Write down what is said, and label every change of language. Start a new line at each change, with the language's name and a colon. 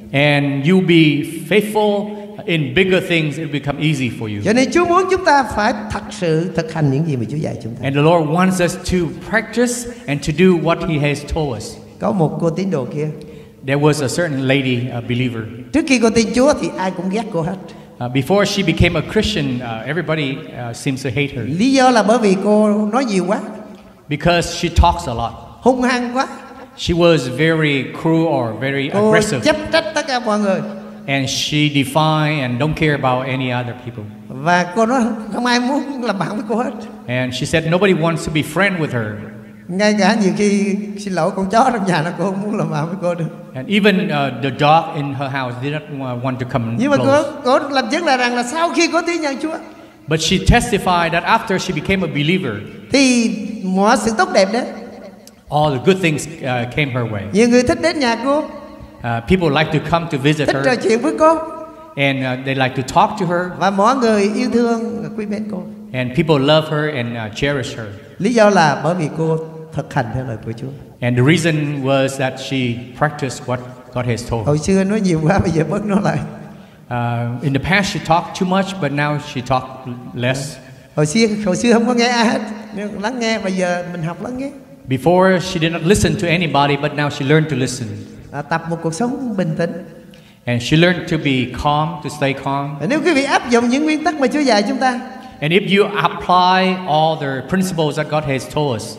English: And you be faithful in bigger things, it become easy for you.
Vietnamese: Cho nên Chúa muốn chúng ta phải thật sự thực hành những gì mà Chúa dạy chúng ta.
English: And the Lord wants us to practice and to do what He has told us.
Vietnamese: Có một cô tín đồ kia.
English: There was a certain lady, a believer.
Vietnamese: Trước khi cô tin Chúa thì ai cũng ghét cô hết.
English: Before she became a Christian, everybody seems to hate her.
Vietnamese: Lý do là bởi vì cô nói nhiều quá.
English: Because she talks a lot.
Vietnamese: Hung hăng quá.
English: She was very cruel or very
Vietnamese: cô
English: aggressive.
Vietnamese: Cô chấp trách tất cả mọi người.
English: And she defied and don't care about any other people.
Vietnamese: Và cô nói không ai muốn làm bạn với cô hết.
English: And she said nobody wants to be friend with her.
Vietnamese: Ngay cả nhiều khi xin lỗi con chó trong nhà nó cũng không muốn làm bạn với cô được.
English: And even the dog in her house did not want to come close.
Vietnamese: Nhưng mà cô làm chứng là rằng là sau khi cô tin nhận Chúa.
English: But she testified that after she became a believer.
Vietnamese: Thì mọi sự tốt đẹp đấy.
English: All the good things came her way.
Vietnamese: Nhiều người thích đến nhà cô.
English: People like to come to visit
Vietnamese: thích
English: her.
Vietnamese: Trò chuyện với cô.
English: And they like to talk to her.
Vietnamese: Và mọi người yêu thương, quý mến cô.
English: And people love her and cherish her.
Vietnamese: Lý do là bởi vì cô thực hành theo lời của Chúa.
English: And the reason was that she practiced what God has told.
Vietnamese: Hồi xưa nói nhiều quá, bây giờ bớt nói lại.
English: In the past she talked too much, but now she talked less.
Vietnamese: Hồi xưa không có nghe ai hết, lắng nghe, bây giờ mình học lắng nghe.
English: Before she did not listen to anybody, but now she learned to listen.
Vietnamese: Tập một cuộc sống bình tĩnh.
English: And she learned to be calm, to stay calm.
Vietnamese: Nếu quý vị áp dụng những nguyên tắc mà Chúa dạy chúng ta.
English: And if you apply all the principles that God has told us.